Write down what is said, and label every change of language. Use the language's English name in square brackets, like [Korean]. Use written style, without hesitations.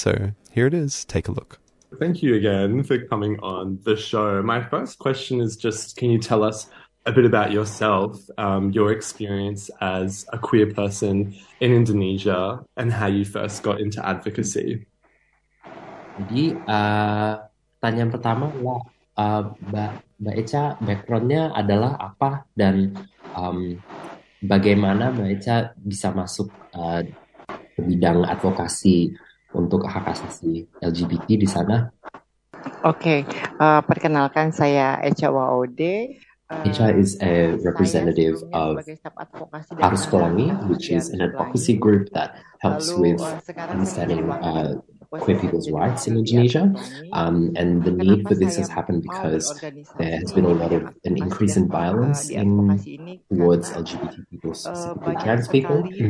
[English] So here it is. Take a look. Thank you again for coming on the show. My first question is just, can you tell us a bit about yourself, your experience as a queer person in Indonesia, and how you first got into advocacy? [Indonesian] Jadi, tanya pertama adalah, Mbak Echa, background-nya adalah apa, dan bagaimana Mbak Echa bisa masuk ke bidang advokasi untuk hak asasi LGBT di sana? Oke, perkenalkan, saya Echa Waode. [English] Echa is a representative of Arus Pelangi, which is an advocacy group that helps with understanding queer people's rights in Indonesia. And the need for this has happened because there has been a lot of an increase in violence in, towards LGBT people, specifically trans people.